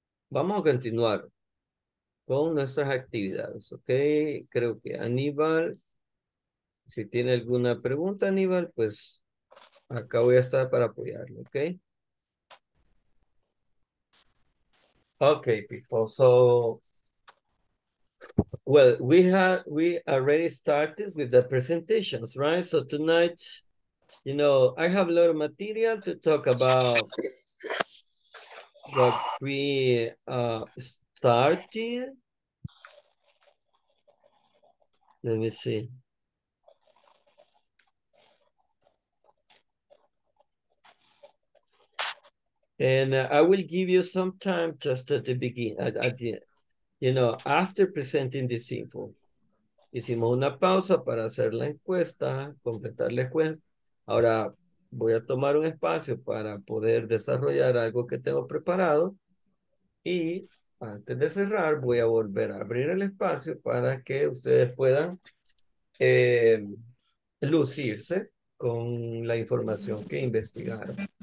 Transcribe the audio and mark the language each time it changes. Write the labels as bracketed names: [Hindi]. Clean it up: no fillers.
[Spanish] Vamos a continuar con nuestras actividades, okay? Creo que Aníbal, si tiene alguna pregunta, Aníbal, pues acá voy a estar para apoyarlo, okay? [English] Okay, people. So, well, we already started with the presentations, right? So tonight, you know, I have a lot of material to talk about what we started. Let me see. And I will give you some time just at the beginning, you know, after presenting this info. [Spanish] Hicimos una pausa para hacer la encuesta, completar la encuesta. Ahora voy a tomar un espacio para poder desarrollar algo que tengo preparado. Y antes de cerrar, voy a volver a abrir el espacio para que ustedes puedan lucirse con la información que investigaron.